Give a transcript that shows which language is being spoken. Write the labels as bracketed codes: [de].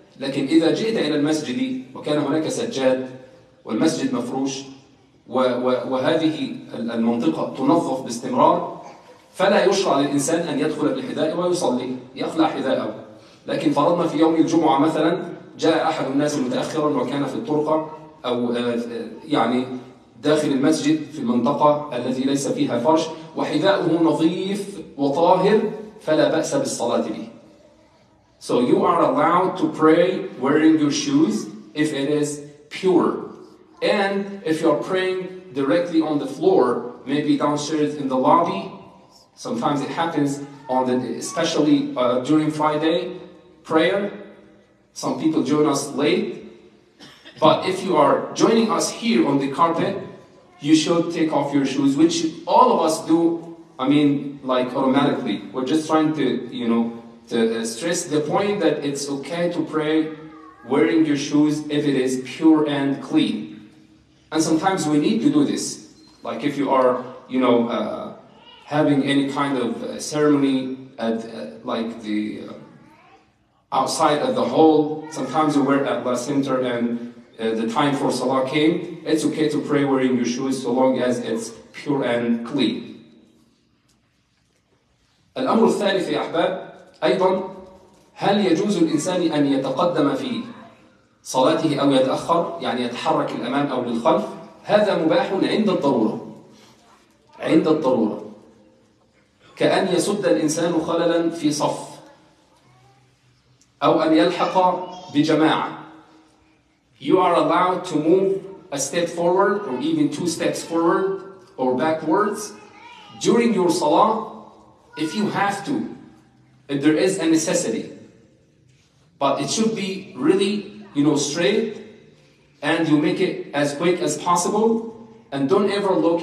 [ar] لكن إذا جئت إلى المسجد وكان هناك سجاد والمسجد مفروش وهذه المنطقة تنظف باستمرار، فلا يشرع للإنسان أن يدخل بالحذاء ويصلي، يخلع حذاءه. لكن فرضنا في يوم الجمعة مثلا جاء أحد الناس متأخرا وكان في الطرقة أو يعني داخل المسجد في المنطقة التي ليس فيها فرش وحذاؤه نظيف وطاهر، فلا بأس بالصلاة به. [en] So you are allowed to pray wearing your shoes if it is pure. And if you are praying directly on the floor, maybe downstairs in the lobby, sometimes it happens on the, especially during Friday prayer, some people join us late. But if you are joining us here on the carpet, you should take off your shoes, which all of us do, I mean, like automatically. We're just trying to, you know, to stress the point that it's okay to pray wearing your shoes if it is pure and clean. And sometimes we need to do this. Like if you are, you know, having any kind of ceremony at like the outside of the hall, sometimes you wear at the center and the time for salah came, it's okay to pray wearing your shoes so long as it's pure and clean. [ar] الأمر الثالث يا أحباب أيضا، هل يجوز الإنسان أن يتقدم في صلاته أو يتأخر، يعني يتحرك للأمام أو للخلف، هذا مباح عند الضرورة. عند الضرورة، كأن يسد الإنسان خللا في صف، أو أن يلحق بجماعة. [en] You are allowed to move a step forward or even two steps forward or backwards during your salah if you have to, if there is a necessity. But it should be really, you know, straight, and you make it as quick as possible. And don't ever look.